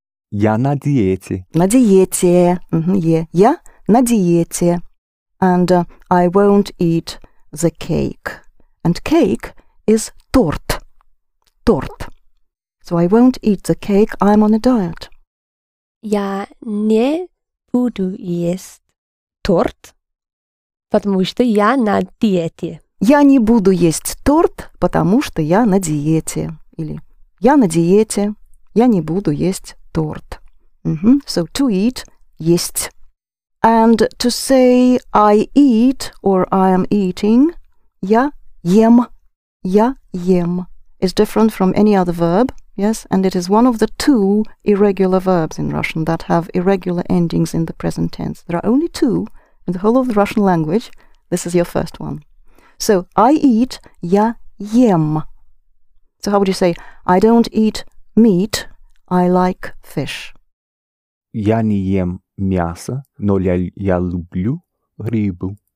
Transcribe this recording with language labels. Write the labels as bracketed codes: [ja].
[ru] Я на диете. На диете. Я на диете. [en] And I won't eat the cake. And cake is торт. Торт. So I won't eat the cake, I'm on a diet. [ru] Я не буду есть торт, потому что я на диете. Я не буду есть торт, потому что я на диете. Или я на диете, я не буду есть торт. [en] So to eat, есть. And to say I eat or I am eating, я ем. Я ем is different from any other verb, yes, and it is one of the two irregular verbs in Russian that have irregular endings in the present tense. There are only two in the whole of the Russian language. This is your first one. So, I eat, я ем. So, how would you say, I don't eat meat, I like fish. [ru] Я не ем мясо, но я люблю рыбу.